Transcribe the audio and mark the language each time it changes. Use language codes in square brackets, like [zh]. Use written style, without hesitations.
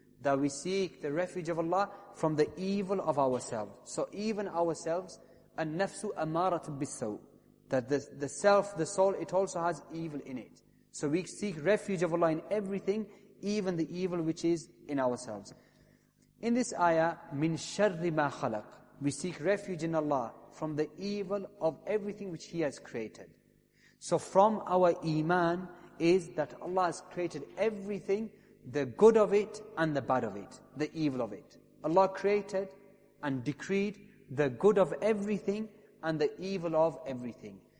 [en] That we seek the refuge of Allah from the evil of ourselves. So even ourselves, [ar] النَّفْسُ أَمَارَةٌ بِالسَّوءِ. [en] That the self, the soul, it also has evil in it. So we seek refuge of Allah in everything, even the evil which is in ourselves. In this ayah, [ar] مِنْ شَرِّ مَا خَلَقٍ. [en] We seek refuge in Allah from the evil of everything which He has created. So from our iman is that Allah has created everything, the good of it and the bad of it, the evil of it. Allah created and decreed the good of everything and the evil of everything.